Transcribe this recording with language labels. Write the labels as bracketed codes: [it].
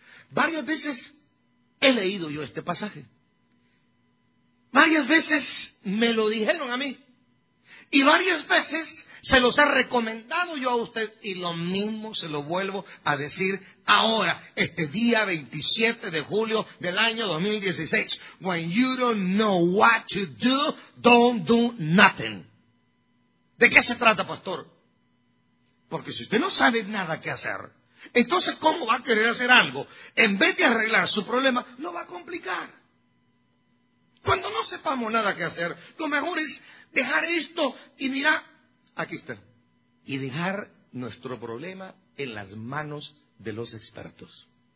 [es] Varias veces he leído yo este pasaje. Varias veces me lo dijeron a mí. Y varias veces se los he recomendado yo a usted. Y lo mismo se lo vuelvo a decir ahora, este día 27 de julio del año 2016. [en] When you don't know what to do, don't do nothing. [es] ¿De qué se trata, pastor? Porque si usted no sabe nada qué hacer, entonces, ¿cómo va a querer hacer algo? En vez de arreglar su problema, lo va a complicar. Cuando no sepamos nada que hacer, lo mejor es dejar esto y mirar, aquí está, y dejar nuestro problema en las manos de los expertos.